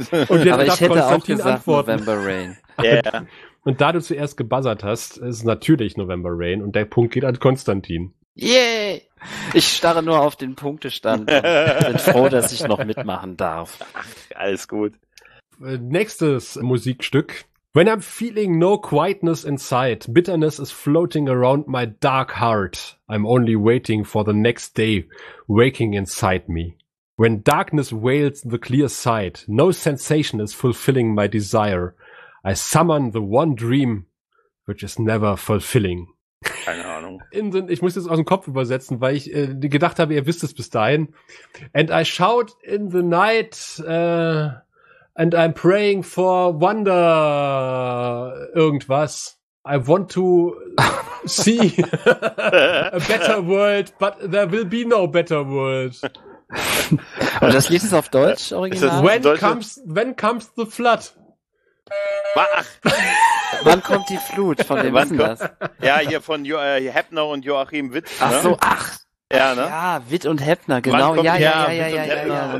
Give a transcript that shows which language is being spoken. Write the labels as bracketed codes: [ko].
[de] Und jetzt aber ich hätte auch gesagt antworten. November Rain. Ja. Yeah. Und da du zuerst gebuzzert hast, ist natürlich November Rain und der Punkt geht an Konstantin. Yay! Yeah. Ich starre nur auf den Punktestand und bin froh, dass ich noch mitmachen darf. Ach, alles gut. Nächstes Musikstück. [en] When I'm feeling no quietness inside, bitterness is floating around my dark heart. I'm only waiting for the next day waking inside me. When darkness wails the clear sight, no sensation is fulfilling my desire. I summon the one dream which is never fulfilling. [de] Keine Ahnung. Ich muss jetzt aus dem Kopf übersetzen, weil ich gedacht habe, ihr wisst es bis dahin. [en] And I shout in the night, and I'm praying for wonder [de] irgendwas. [en] I want to see a better world, but there will be no better world. [de] Und das liest es auf Deutsch original? [en] When comes the flood? [de] Ach. Wann kommt die Flut? Von dem wissen das? Ja, hier von Heppner und Joachim Witt. Ne? Ach so, ach. Ja, ne? Ja, Witt und Heppner, genau. Ja, ja, ja, ja, ja, ja, ja.